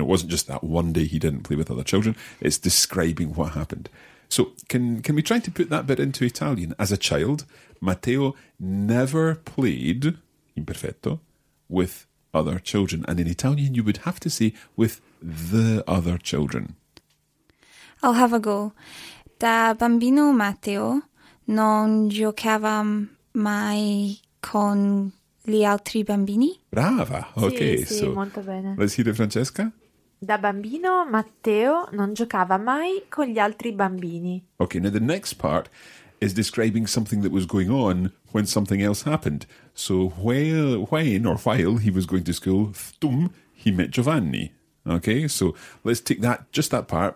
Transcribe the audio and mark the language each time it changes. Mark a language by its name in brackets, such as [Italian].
[English] It wasn't just that one day he didn't play with other children. It's describing what happened. So can we try to put that bit into Italian? As a child, Matteo never played, imperfetto, with other children. And in Italian, you would have to say with the other children. I'll have a go. [Italian] Da bambino Matteo non giocava mai con gli altri bambini. Brava, ok. Sì, [English] so, [Italian] molto bene. [English] Let's hear it, Francesca. [Italian] Da bambino Matteo non giocava mai con gli altri bambini. [English] Ok, now the next part is describing something that was going on when something else happened. So while he was going to school, thtum, he met Giovanni. Okay, so let's take that, just that part.